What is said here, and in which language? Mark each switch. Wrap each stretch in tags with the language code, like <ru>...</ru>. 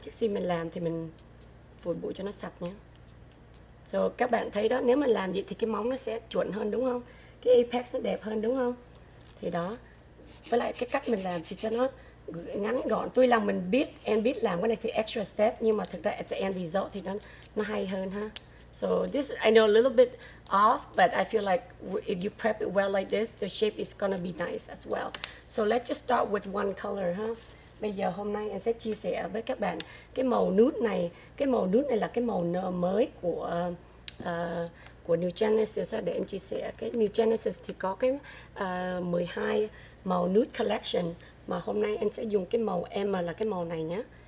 <vi>Trước khi mình làm thì mình phủi bụi cho nó sạch nhé. So các bạn thấy đó, nếu mà làm vậy thì cái móng nó sẽ chuẩn hơn đúng không? Cái apex nó đẹp hơn đúng không? Thì đó, với lại cái cách mình làm thì cho nó ngắn gọn. Tuy là mình biết, em biết làm cái này thì</vi> <en>extra step,</en> <vi>nhưng mà thực ra</vi> <en>at the end result</en> <vi>thì nó hay hơn ha.</vi> <en>So this I know a little bit off, but I feel like if you prep it well like this, the shape is gonna be nice as well. So let's just start with one color ha.</en> <vi>Bây giờ hôm nay em sẽ chia sẻ với các bạn cái màu nude này. Cái màu nude này là cái màu nờ mới của New Genesis. Để em chia sẻ, cái New Genesis thì có cái 12 màu nude collection, mà hôm nay em sẽ dùng cái màu M là cái màu này nhé.</vi>